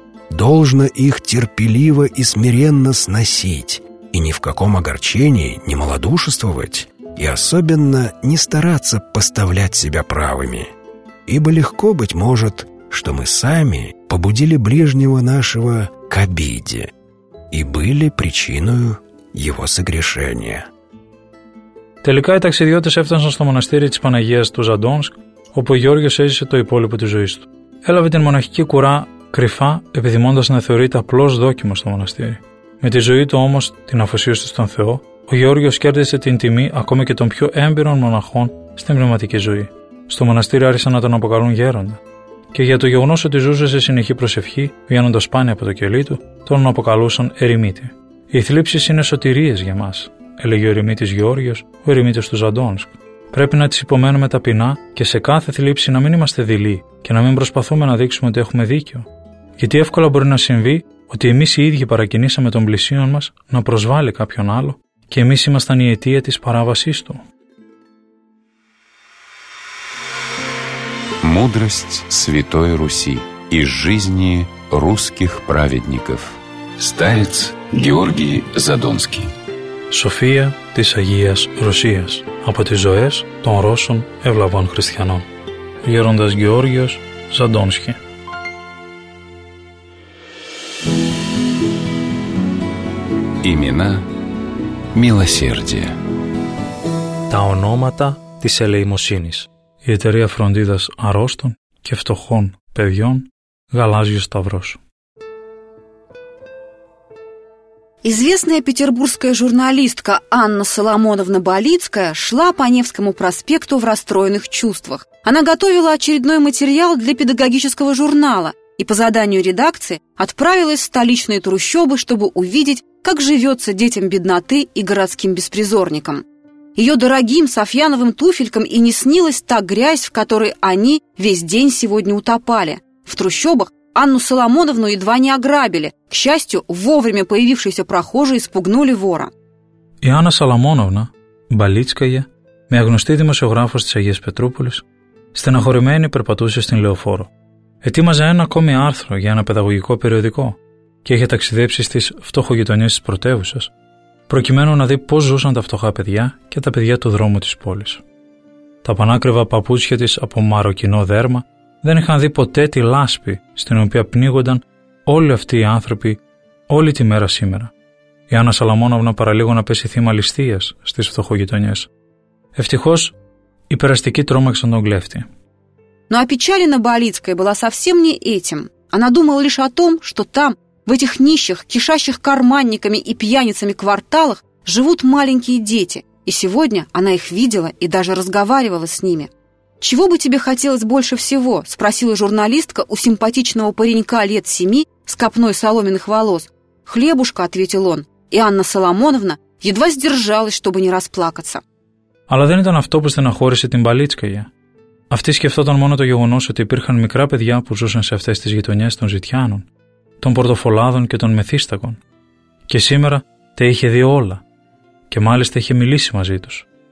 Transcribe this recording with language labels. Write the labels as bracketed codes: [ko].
[ru] «Должно их терпеливо и смиренно сносить, и ни в каком огорчении не малодушествовать, и особенно не стараться поставлять себя правыми. Ибо легко, быть может, что мы сами побудили ближнего нашего к обиде и были причиною его согрешения». [el] Τελικά οι ταξιδιώτες έφτασαν στο μοναστήρι της Παναγίας του Ζαντόνσκ, όπου ο Γεώργιος έζησε το υπόλοιπο της ζωής του. Έλαβε την μοναχική κουρά κρυφά, επιθυμώντας να θεωρείται απλώς δόκιμο στο μοναστήρι. Με τη ζωή του όμως, την αφοσίωση στον Θεό, ο Γεώργιος κέρδισε την τιμή ακόμη και των πιο έμπειρων μοναχών στην πνευματική ζωή. Στο μοναστήρι άρχισαν να τον αποκαλούν γέροντα. και για το γεγονός ότι ζούσε σε συνεχή προσευχή, βγαίνοντας σπάνια από το κελί του, τον αποκαλούσαν Ερημίτη. «Οι θλίψεις είναι σωτηρίες για μας», έλεγε ο Ερημίτης Γεώργιος, ο Ερημίτης του Ζαντόνσκ. «Πρέπει να τις υπομένουμε ταπεινά και σε κάθε θλίψη να μην είμαστε δειλοί και να μην προσπαθούμε να δείξουμε ότι έχουμε δίκιο. Γιατί εύκολα μπορεί να συμβεί ότι εμείς οι ίδιοι παρακινήσαμε τον πλησίον μας να προσβάλλει κάποιον άλλο και εμείς ήμασταν η αιτία της παράβασής του». [ru] Мудрость Святой Руси из жизни русских праведников. Старец Георгий Задонский. [el] София της Αγίας Ρωσίας. Από τις ζωές των Ρώσων ευλαβών χριστιανών. Γέροντας Γεώργιος Ζαντόνσκι. [ru] Имена милосердия. [el] Τα ονόματα της ελεημοσύνης. Η εταιρεία φροντίδας αρρώστων και φτωχών παιδιών Γαλάζιος Σταυρός. [ru] Известная петербургская журналистка Анна Соломоновна Болицкая шла по Невскому проспекту в расстроенных чувствах. Она готовила очередной материал для педагогического журнала и по заданию редакции отправилась в столичные трущобы, чтобы увидеть, как живется детям бедноты и городским беспризорникам. Ее дорогим софьяновым туфелькам и не снилась та грязь, в которой они весь день сегодня утопали. В трущобах Анну Соломоновну едва не ограбили. К счастью, вовремя появившиеся прохожие спугнули вора. [el] Η Άννα Соломоновна, Болицкая, μια γνωστή δημοσιογράφος της Αγίας Πετρούπολης, στεναχωρημένη περπατούσε στην λεωφόρο. Ετοίμαζε ένα ακόμη άρθρο για ένα παιδαγωγικό περιοδικό και είχε ταξιδέψει στις φτωχογειτονίες της πρωτεύουσας, προκειμένου να δει πώς ζούσαν τα φτωχά παιδιά και τα παιδιά του δρόμου της πόλης. Τα πανάκριβα παπούτσια της από μαροκινό δέρμα δεν είχαν δει ποτέ τη λάσπη στην οποία πνίγονταν όλοι αυτοί οι άνθρωποι όλη τη μέρα σήμερα. Η Άννα Σαλαμόναυνα παραλίγο να πέσει θύμα ληστείας στις φτωχογειτονιές. Ευτυχώς, οι περαστικοί τρόμαξαν τον κλέφτη. [ru] Но опечалена Болицкая была совсем не этим. Она думала лишь о том, что там, в этих нищих, кишащих карманниками и пьяницами кварталах, живут маленькие дети. И сегодня она их видела и даже разговаривала с ними. «Чего бы тебе хотелось больше всего?» – спросила журналистка у симпатичного паренька лет 7 с копной соломенных волос. «Хлебушка», – ответил он. И Анна Соломоновна едва сдержалась, чтобы не расплакаться. [el] Αλλά δεν ήταν αυτό που στεναχώρησε την Болицкая. Αυτή σκεφτόταν μόνο το γεγονός ότι υπήρχαν μικρά παιδιά που ζούσαν σε αυτές τις γειτονιές των Ζητιάνων, των Πορτοφολάδων και των Μεθύστακων. Και σήμερα τα είχε δει όλα. Και μάλιστα είχε μιλήσει μαζί τους.